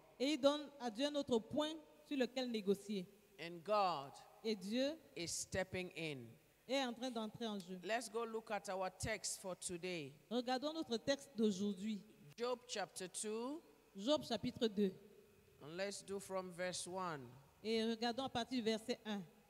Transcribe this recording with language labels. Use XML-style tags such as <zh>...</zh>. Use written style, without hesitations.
<fr>Et il donne à Dieu un autre point sur lequel négocier.</fr> <en>And God,</en> <fr>et Dieu,</fr> <en>is stepping in.</en> <fr>Est en train d'entrer en jeu.</fr> <en>Let's go look at our text for today.</en> <fr>Regardons notre texte d'aujourd'hui.</fr> <en>Job chapter 2.</en> <fr>Job chapitre 2.</fr> <en>And let's do from verse 1.</en> <fr>Et regardons à partir du verset 1.</fr>